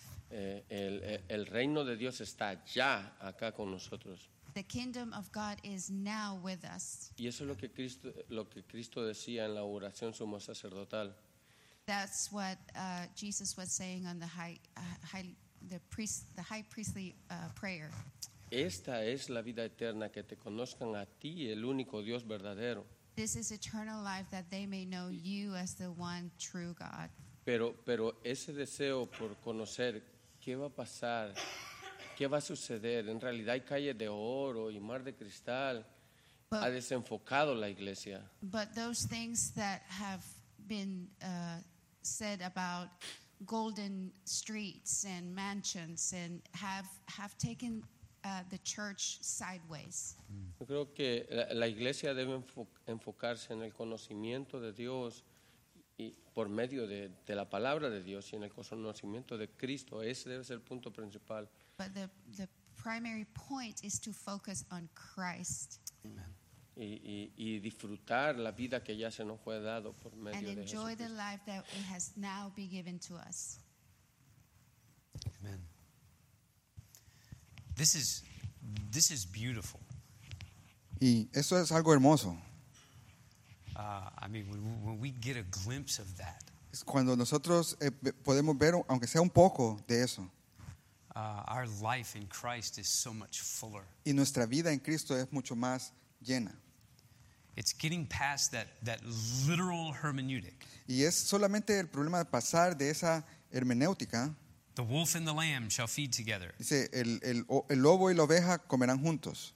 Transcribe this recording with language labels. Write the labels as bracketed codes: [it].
[es] El reino de Dios está ya acá con nosotros. [en] The kingdom of God is now with us. [es] Y eso es lo que Cristo decía en la oración sumo sacerdotal. [en] That's what Jesus was saying on the high priestly prayer. [es] Esta es la vida eterna, que te conozcan a ti, el único Dios verdadero. [en] This is eternal life, that they may know you as the one true God. [es] Pero ese deseo por conocer qué va a pasar, qué va a suceder, en realidad hay calles de oro y mar de cristal, but, ha desenfocado la iglesia. [en] But those things that have been said about golden streets and mansions and have taken the church sideways. [es] Yo creo que la iglesia debe enfocarse en el conocimiento de Dios y por medio de la palabra de Dios y en el conocimiento de Cristo. Ese debe ser el punto principal. [en] But the primary point is to focus on Christ. Amen. [es] Y disfrutar la vida que ya se nos fue dado por medio de Jesús. [en] And enjoy the life that it has now been given to us. Amen. This is beautiful. [es] Y eso es algo hermoso. [en] I mean, when we get a glimpse of that. [es] Es cuando nosotros podemos ver, aunque sea un poco, de eso. [en] Our life in Christ is so much fuller. [es] Y nuestra vida en Cristo es mucho más llena. [en] It's getting past that literal hermeneutic. [es] Y es solamente el problema de pasar de esa hermenéutica. [en] The wolf and the lamb shall feed together. [es] Dice el lobo y la oveja comerán juntos.